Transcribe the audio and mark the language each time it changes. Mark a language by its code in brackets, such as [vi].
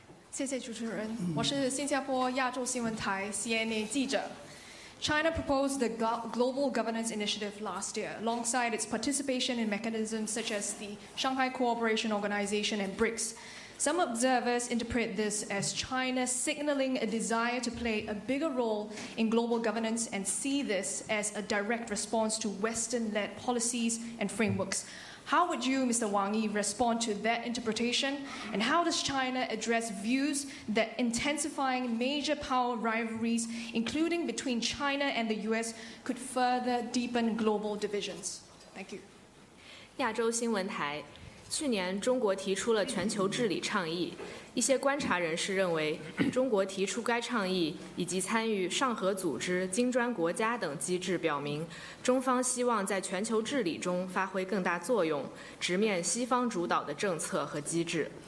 [zh] 谢谢主持人，我是新加坡亚洲新闻台 CNA 记者。 [en] China proposed the Global Governance Initiative last year, alongside its participation in mechanisms such as the Shanghai Cooperation Organization and BRICS. Some observers interpret this as China signaling a desire to play a bigger role in global governance and see this as a direct response to Western-led policies and frameworks. How would you, Mr. Wang Yi, respond to that interpretation? And how does China address views that intensifying major power rivalries, including between China and the U.S., could further deepen global divisions? Thank you. [zh] 亚洲新闻台，去年中国提出了全球治理倡议，一些观察人士认为中国提出该倡议以及参与上合组织、金砖国家等机制，表明中方希望在全球治理中发挥更大作用，直面西方主导的政策和机制。